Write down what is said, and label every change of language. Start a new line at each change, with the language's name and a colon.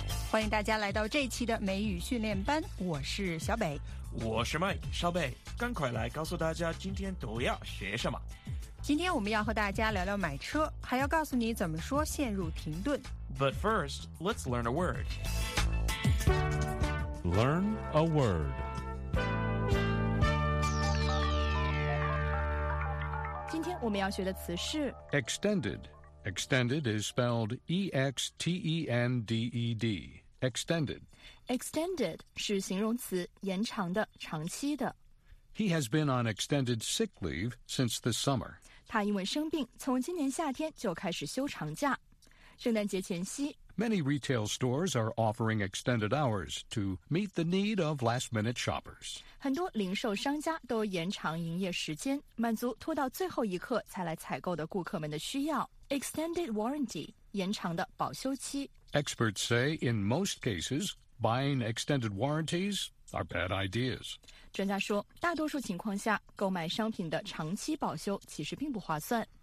Chinese: 欢迎大家来到这期的美语训练班，我是小北。我是麦小北，赶快来告诉大家今天都要学什么。今天我们要和大家聊聊买车，还要告诉你怎么说陷入停顿。
English: But first, let's learn a word. Learn a word.
Chinese: 今天我们要学的词是
English: Extended. Extended is spelled E-X-T-E-N-D-E-D. Extended.
Chinese: Extended 是形容词，延长的，长期的。
English: He has been on extended sick leave since the summer.
Chinese: 他因为生病，从今年夏天就开始休长假。圣诞节前夕
English: Many retail stores are offering extended hours to meet the need of last-minute shoppers.
Chinese: 很多零售商家都延长营业时间，满足拖到最后一刻才来采购的顾客们的需要。
English: Extended warranty, 延长的保修期。 Experts say in most cases, buying extended warranties are bad ideas.
Chinese: 专家说，大多数情况下，购买商品的长期保修其实并不划算。